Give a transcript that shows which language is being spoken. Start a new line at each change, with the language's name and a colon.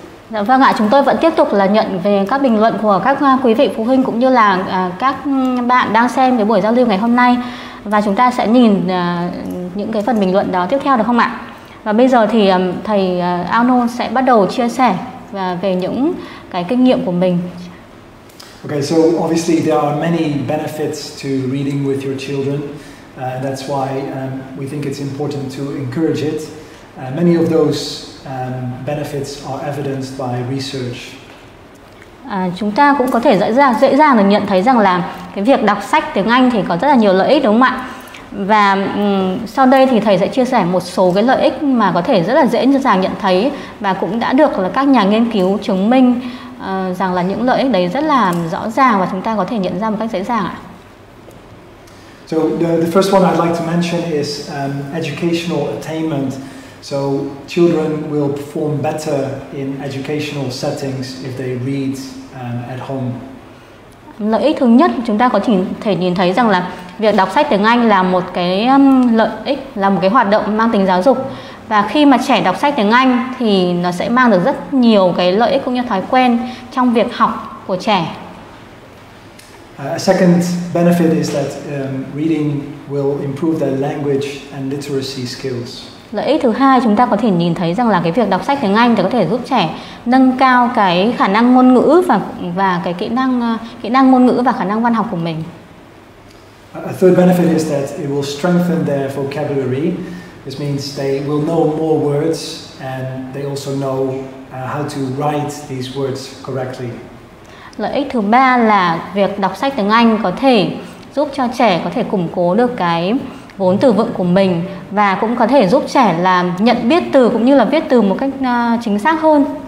Vietnamese: Dạ vâng ạ, chúng tôi vẫn tiếp tục là nhận về các bình luận của các quý vị phụ huynh cũng như là các bạn đang xem cái buổi giao lưu ngày hôm nay. Và chúng ta sẽ nhìn những cái phần bình luận đó tiếp theo được không ạ? Và bây giờ thì thầy Ano sẽ bắt đầu chia sẻ về những cái kinh nghiệm của mình.
English: Okay, so obviously there are many benefits to reading with your children. That's why we think it's important to encourage it. Many of those benefits are evidenced by research.
Vietnamese: Chúng ta cũng có thể dễ dàng được nhận thấy rằng là cái việc đọc sách tiếng Anh thì có rất là nhiều lợi ích đúng không ạ? Và sau đây thì thầy sẽ chia sẻ một số cái lợi ích mà có thể rất là dễ dàng nhận thấy và cũng đã được là các nhà nghiên cứu chứng minh rằng là những lợi ích đấy rất là rõ ràng và chúng ta có thể nhận ra một cách dễ dàng ạ.
English: So the first one I'd like to mention is educational attainment. So children will perform better in educational settings if they read at home.
Vietnamese: Lợi ích thứ nhất chúng ta có thể nhìn thấy rằng là việc đọc sách tiếng Anh là một cái lợi ích, là một cái hoạt động mang tính giáo dục. Và khi mà trẻ đọc sách tiếng Anh thì nó sẽ mang được rất nhiều cái lợi ích cũng như thói quen trong việc học của trẻ.
English: A second benefit is that reading will improve their language and literacy skills.
Vietnamese: Lợi ích thứ hai chúng ta có thể nhìn thấy rằng là cái việc đọc sách tiếng Anh thì có thể giúp trẻ nâng cao cái khả năng ngôn ngữ và cái kỹ năng ngôn ngữ và khả năng văn học của mình.
English: A third benefit is that it will strengthen their vocabulary. This means they will know more words and they also know how to write these words correctly.
Vietnamese: Lợi ích thứ ba là việc đọc sách tiếng Anh có thể giúp cho trẻ có thể củng cố được cái vốn từ vựng của mình và cũng có thể giúp trẻ là nhận biết từ cũng như là viết từ một cách chính xác hơn.